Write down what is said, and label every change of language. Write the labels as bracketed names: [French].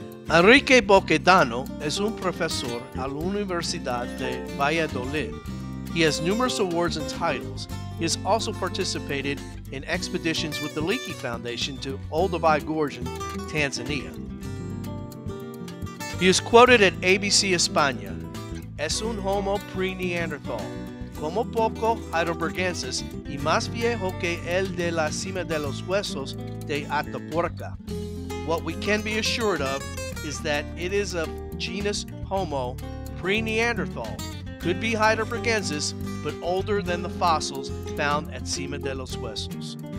[Spanish] Enrique Boquedano es un profesor a la Universidad de Valladolid. [English] He has numerous awards and titles. He has also participated in expeditions with the Leakey Foundation to Olduvai Gorge in Tanzania. He is quoted at ABC España, [Spanish] es un Homo pre-Neanderthal. Como poco heidelbergensis y más viejo que el de la cima de los huesos de Atapuerca. [English] What we can be assured of is that it is of genus Homo, pre-Neanderthal, could be heidelbergensis, but older than the fossils found at cima de los huesos.